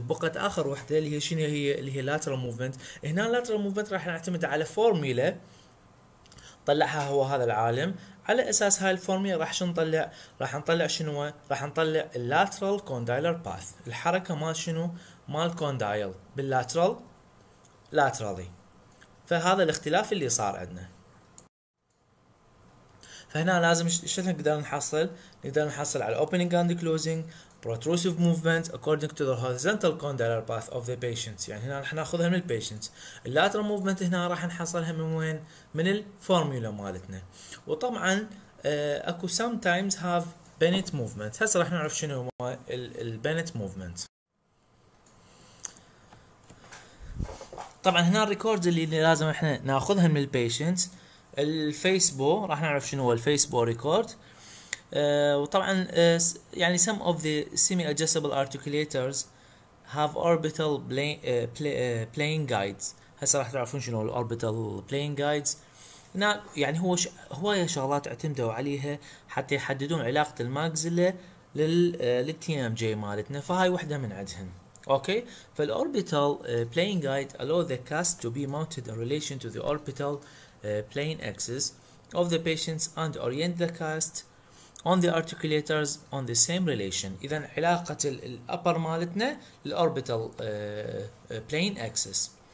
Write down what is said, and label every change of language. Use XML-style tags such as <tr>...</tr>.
<ar>بقت اخر وحده اللي هي شنو؟ هي اللي هي لاترال موفمنت. هنا لاترال موفمنت راح نعتمد على فورميلا طلعها هو هذا العالم. على اساس هاي الفورميلا راح نطلع شنو؟ راح نطلع اللاترال كوندايلر باث، الحركه مال شنو؟ مال كوندايل باللاترال لاترالي. فهذا الاختلاف اللي صار عندنا. فهنا لازم شنو نقدر نحصل؟ نقدر نحصل على</ar> <en>opening and closing، protrusive movement according to the horizontal condylar path of the patient.</en> <ar>يعني هنا راح ناخذها من البيشنت. اللاترال موفمنت هنا راح نحصلها من وين؟ من الفورمولا مالتنا. وطبعا اكو</ar> <en>sometimes have Bennett movement.</en> <ar>هسه راح نعرف شنو هو البنت موفمنت. طبعا هنا الريكوردز اللي لازم احنا ناخذها من البيشنت، الفيسبو راح نعرف شنو هو الفيسبو ريكورد. وطبعا يعني</ar> <en>some of the semi adjustable articulators have orbital plane guides.</en> <ar>هسه راح تعرفون شنو الاوربيتال plane guides. يعني هو هواية شغلات اعتمدوا عليها حتى يحددون علاقة الماكسيلا لل تي ام جي مالتنا، فهاي وحدة من عندهم.</ar> <en>Okay, فالاوربيتال plane guide allow the cast to be mounted in relation to the orbital plane axis of the patients and orient the cast on the articulators on the same relation.</en> <ar>إذن علاقة الأبر مالتنا الأوربيتال plane axis.</ar>